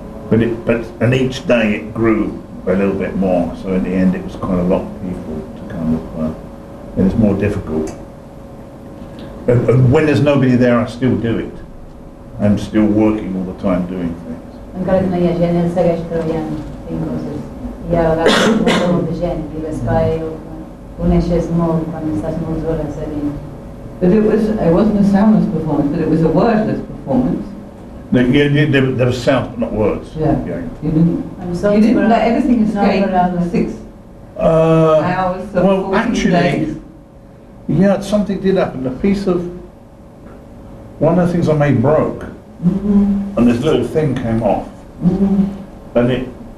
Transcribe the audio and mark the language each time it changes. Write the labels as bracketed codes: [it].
[en] And each day it grew a little bit more, so in the end it was quite a lot of people to kind of, and it's more difficult. And when there's nobody there, I still do it. I'm still working all the time doing things. [ca] Encara que no hi ha gent, ell segueix treballant, fent coses. Hi ha vegades molta gent i l'espai ho coneixes molt quan estàs moltes hores a dins. [en] But it wasn't a soundless performance, but it was a wordless performance. No, there was sounds, but not words. Yeah. You didn't let everything escape for 6 hours of 14 days. Yeah, something did happen. One of the things I made broke, mm-hmm. And this little thing came off, mm-hmm. And it